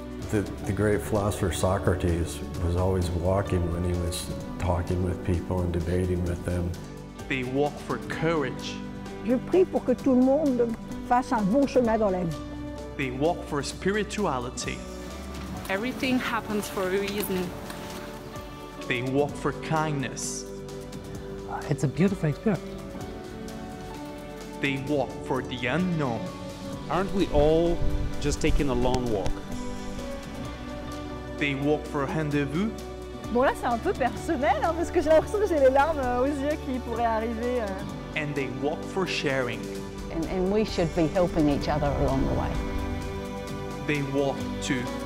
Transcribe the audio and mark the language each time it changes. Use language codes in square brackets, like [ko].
[en] The great philosopher Socrates was always walking when he was talking with people and debating with them. They walk for courage. [fr] Je prie pour que tout le monde fasse un bon chemin dans la vie. [en] They walk for spirituality. Everything happens for a reason. They walk for kindness. It's a beautiful experience. They walk for the unknown. Aren't we all just taking a long walk? They walk for a rendezvous. [fr] Bon là c'est un peu personnel hein, parce que j'ai l'impression que j'ai les larmes aux yeux qui pourraient arriver. [en] And they walk for sharing. And we should be helping each other along the way. They walk too.